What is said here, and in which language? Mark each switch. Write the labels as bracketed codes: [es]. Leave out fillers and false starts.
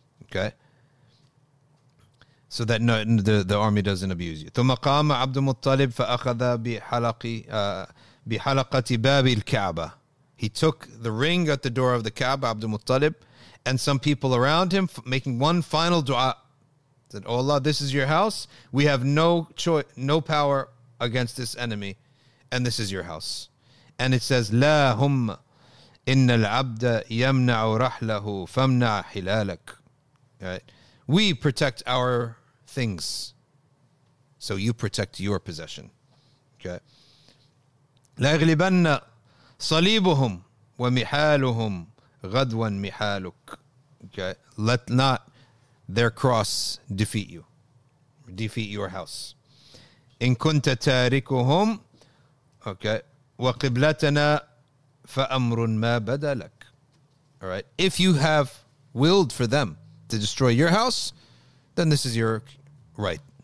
[en] Okay. So that no, the army doesn't abuse you. [ar] ثم قام عبد المطلب فأخذ بحلقة باب الكعبة. [en] He took the ring at the door of the Kaaba, Abd al-Muttalib, and some people around him, making one final dua. Said, oh Allah, this is your house. We have no choice, no power against this enemy, and this is your house. And it says, [ar] لا هم إن العبد يمنع رحله فمنع حلالك. [en] Right? We protect our things, so you protect your possession. Okay. [ar] لا يغلبن صليبهم ومحالهم غدوا محالك. [en] Okay. Let not their cross defeat you, defeat your house. [ar] إن كنت تاركهم. [en] Okay. [ar] وقبلتنا فأمر ما بدا لك. [en] All right. If you have willed for them to destroy your house, then this is your right.